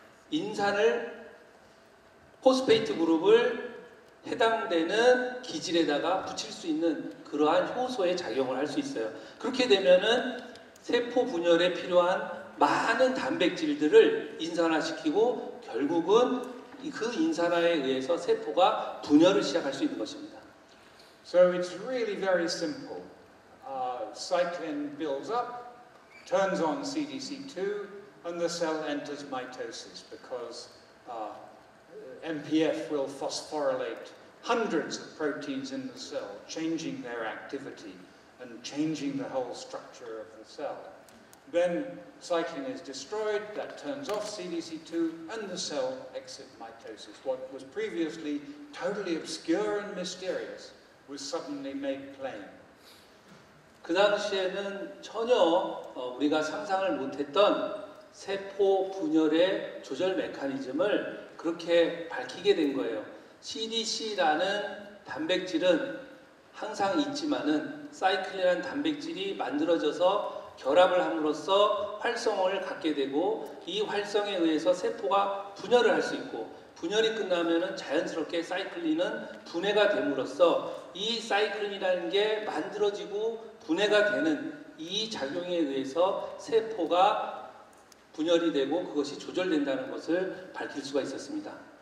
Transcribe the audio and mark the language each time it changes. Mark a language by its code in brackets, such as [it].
[ko] 인산을 포스페이트 그룹을 해당되는 기질에다가 붙일 수 있는 그러한 효소의 작용을 할 수 있어요. 그렇게 되면은 세포 분열에 필요한 많은 단백질들을 인산화시키고 결국은 그 인산화에 의해서 세포가 분열을 시작할 수 있는 것입니다. [en] So it's really very simple. Cyclin builds up, turns on CDC2, and the cell enters mitosis because MPF will phosphorylate hundreds of proteins in the cell, changing their activity. And changing the whole structure of the cell. Then cyclin is destroyed, that turns off CDC2, and the cell exits mitosis. What was previously totally obscure and mysterious was suddenly made plain. [ko] 그 당시에는 전혀 우리가 상상을 못했던 세포 분열의 조절 메커니즘을 그렇게 밝히게 된 거예요. CDC라는 단백질은 항상 있지만은 사이클이라는 단백질이 만들어져서 결합을 함으로써 활성을 갖게 되고 이 활성에 의해서 세포가 분열을 할 수 있고 분열이 끝나면은 자연스럽게 사이클린은 분해가 됨으로써 이 사이클린이라는 게 만들어지고 분해가 되는 이 작용에 의해서 세포가 분열이 되고 그것이 조절된다는 것을 밝힐 수가 있었습니다.